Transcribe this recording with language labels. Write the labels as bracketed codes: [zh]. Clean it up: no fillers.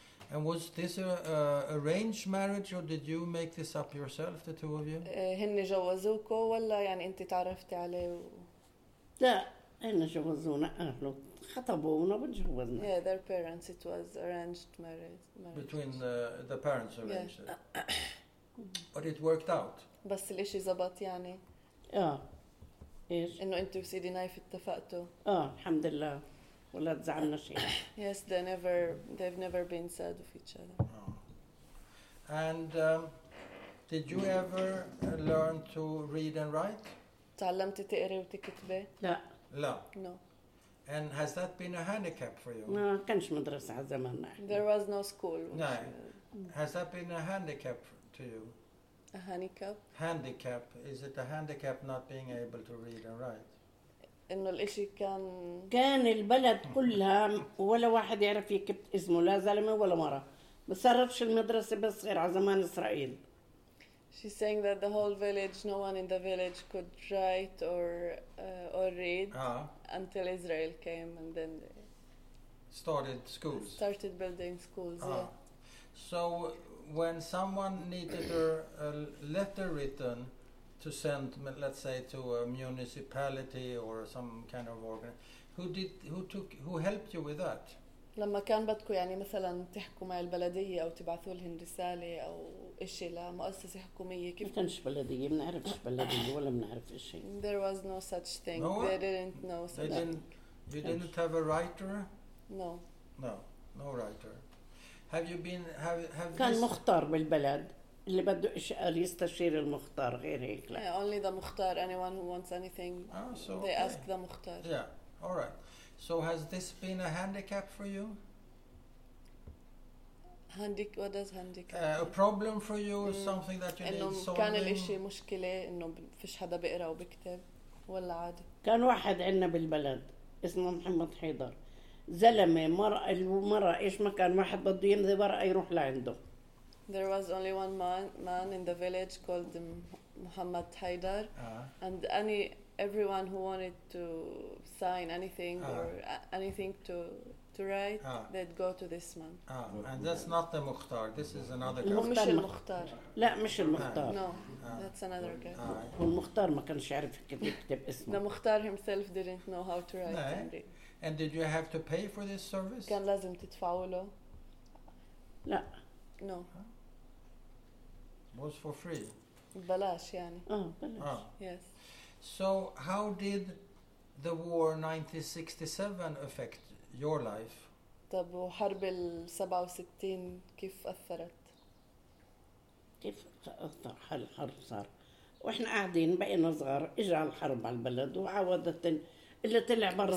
[en] And was this an arranged marriage, or did you make this up yourself, the two of you? [ar] هني جوزوكو ولا يعني أنت تعرفتي عليه؟ لا هني جوزونا أهله خطبونا بجوزنا. [en] Yeah, their parents. It was arranged marriage. Between the parents arranged. Yeah. But it worked out. [ar] بس الإشي زبط يعني. إيش؟ إنه أنت وسيدي نايف اتفقتوا. الحمد لله. [en] Yes, they've never been sad of each other. Oh. And did you ever learn to read and write? [ar] تعلمت تقري وتكتبي؟ لا. لا. [en] No. And has that been a handicap for you? [ar] ما كانش مدرسة على زماننا. [en] There was no school. No. Has that been a handicap to you? A handicap? Handicap. Is it a handicap not being able to read and write? [ar] إنه الإشي كان البلد كلها ولا واحد يعرف يكتب اسمه لا زلمة ولا مرة بصرفش المدرسة بصغير على زمان إسرائيل. [en] She's saying that the whole village, no one in the village could write or read until Israel came and then they started schools. Started building schools. Yeah. So when someone needed a letter written. To send, let's say, to a municipality or some kind of organ. Who helped you with that? [ar] لما كان بدكوا يعني مثلاً تحكوا مع البلدية أو تبعثوا لهم رسالة أو إشي لمؤسسة حكومية. ما كانش بلدية. ما نعرفش بلدية ولا منعرف إشي. [en] There was no such thing. No. They didn't know. So they didn't. You didn't have a writer. No. No. No writer. Have you been? Have [ar] كان مختار بالبلد. اللي بده إشي يستشير المختار غير هيك لا. [en] Yeah, only the مختار. Anyone who wants anything, they okay. ask the مختار. Yeah, all right. So has this been a handicap for you? What does handicap? A problem for you, something that you need solving. [ar] كان الإشي مشكلة إنه فيش حدا بقرأ وبكتب ولا عاد. كان واحد عنا بالبلد اسمه محمد حيدر زلمة المرة إيش ما كان واحد بده يمضي ورقة يروح لعنده. [en] There was only one man in the village called Muhammad Haidar, and everyone who wanted to sign anything or anything to write, they'd go to this man. And that's not the Mukhtar. This is another guy. [ar] مش المختار. لا مش المختار. [en] No, that's another guy. [ar] والمختار ما كانش يعرف كيف يكتب اسمه. [en] The مختار himself didn't know how to write. And did you have to pay for this service? [ar] كان لازم تدفعوا له. لا. [en] No. Was for free. [ar] بلاش يعني. بلاش. [en] Yes. So how did the war 1967 affect your life? [ar] طب وحرب ال 67 كيف أثرت؟ كيف أثر هالحرب صار؟ وإحنا قاعدين بقينا صغار إجا الحرب على البلد وعوضة اللي طلع برا.